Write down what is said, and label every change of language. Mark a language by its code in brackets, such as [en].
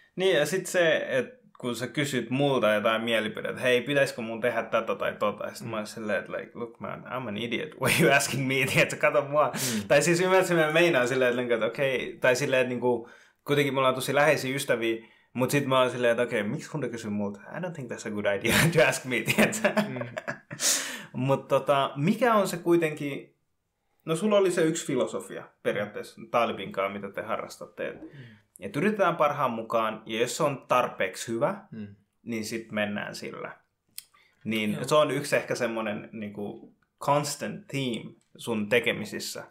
[fi] Niin, ja sitten se, että kun sä kysyt multa jotain mielipidettä, että hei, pitäisikö mun tehdä tätä tai tota, sitten mä oon silleen, että [en] like, look man, I'm an idiot, what are you asking me, [fi] että kato mua. Mm. Tai siis ymmärsin, että meinaan silleen, että okei, tai silleen, että kuitenkin mulla on tosi läheisiä ystäviä, mutta sitten mä oon silleen, että okei, miksi hunde kysyy multa? [en] I don't think that's a good idea to ask me, tietä. [fi] Mutta mikä on se kuitenkin. No sulla oli se yksi filosofia periaatteessa Talibin kanssa, mitä te harrastatte. Et yritetään parhaan mukaan, ja jos se on tarpeeksi hyvä, niin sitten mennään sillä. Niin se on yksi ehkä semmoinen niinku constant theme sun tekemisissä.